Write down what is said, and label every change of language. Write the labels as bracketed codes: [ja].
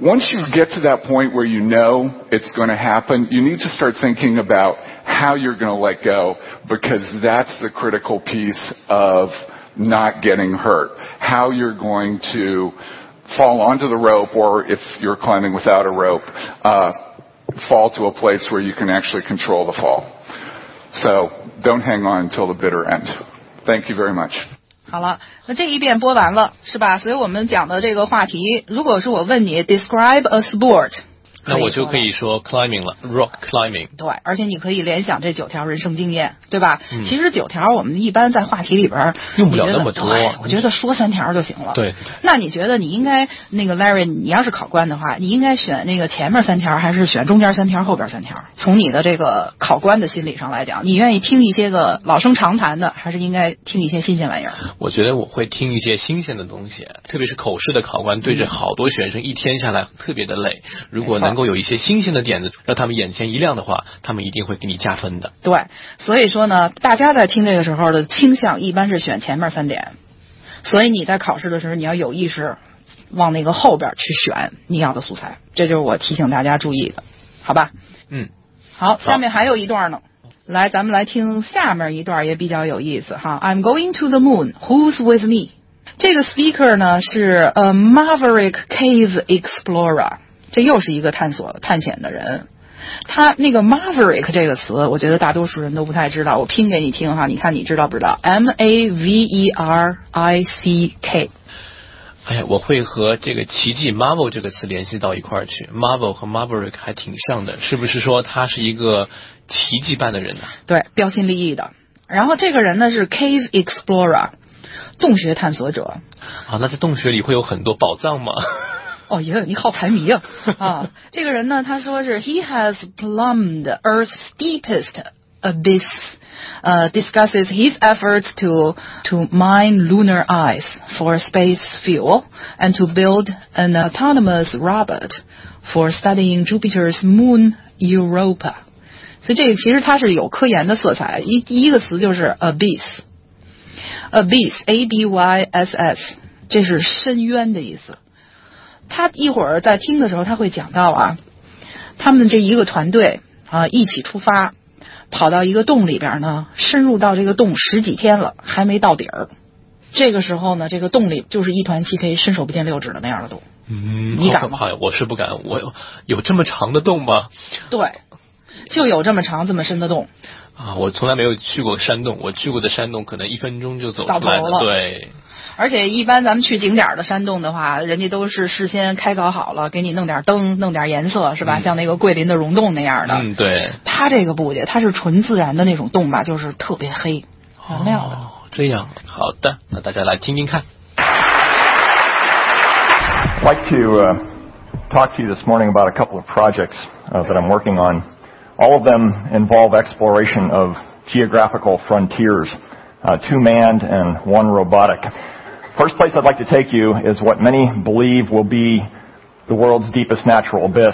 [en] Once you get to that point where you know it's going to happen, you need to start thinking about how you're going to let go, because that's the critical piece of not getting hurt. How you're going to fall onto the rope, or if you're climbing without a rope, fall to a place where you can actually control the fall. So don't hang on until the bitter end. Thank you very much. [zh] 好了，那这一遍播完了，是吧？所以我们讲的这个话题，如果是我问你 [en] describe a sport， [zh] 那我就可以说 climbing 了 ，rock climbing。对，而且你可以联想这九条人生经验，对吧？其实九条我们一般在话题里边用不了那么多，我觉得说三条就行了。对，那你觉得你应该那个 Larry， 你要是考官的话，你应该选那个前面三条，还是选中间三条，后边三条？从你的这个考官的心理上来讲，你愿意听一些个老生常谈的，还是应该听一些新鲜玩意儿？我觉得我会听一些新鲜的东西，特别是口试的考官对着好多学生一天下来特别的累，如果能够有一些新鲜的点子让他们眼前一亮的话，他们一定会给你加分的。对，所以说呢，大家在听这个时候的倾向一般是选前面三点，所以你在考试的时候你要有意识往那个后边去选你要的素材，这就是我提醒大家注意的，好吧？好，下面还有一段呢，来，咱们来听下面一段，也比较有意思哈。 [en] I'm going to the moon, who's with me? [zh] 这个 speaker 呢是 [en] a maverick cave explorer， [zh] 这又是一个探险的人。他那个 maverick 这个词，我觉得大多数人都不太知道，我拼给你听哈，你看你知道不知道 ？maverick。哎呀，我会和这个奇迹 Marvel 这个词联系到一块儿去。 Marvel 和 Maverick 还挺像的，是不是说他是一个奇迹般的人呢？对，标新立异的。然后这个人呢是 Cave Explorer， 洞穴探索者。啊，那在洞穴里会有很多宝藏吗？哦，爷，你好财迷啊！啊，这个人呢，他说是 [en] He has plumbed Earth's deepest abyss。 Discusses his efforts to mine lunar ice for space fuel and to build an autonomous robot for studying Jupiter's moon Europa. [zh] 所以这个其实它是有科研的色彩，一个词就是 abyss, A-B-Y-S-S, 这是深渊的意思。他一会儿在听的时候他会讲到啊，他们这一个团队啊一起出发，跑到一个洞里边呢，深入到这个洞十几天了，还没到底儿。这个时候呢，这个洞里就是一团漆黑，伸手不见六指的那样的洞。嗯，你敢吗？我是不敢，我有这么长的洞吗？对，就有这么长这么深的洞。啊，我从来没有去过山洞，我去过的山洞可能一分钟就走出来了。对。而且一般咱们去景点的山洞的话，人家都是事先开搞好了，给你弄点灯，弄点颜色，是吧？像那个桂林的溶洞那样的。嗯，对。他这个不的，他是纯自然的那种洞吧，就是特别黑，很亮的。哦，这样，好的，那大家来听听看。 [en] I'd like to talk to you this morning about a couple of projects that I'm working on. All of them involve exploration of geographical frontiers, two manned and one robotic. First place I'd like to take you is what many believe will be the world's deepest natural abyss.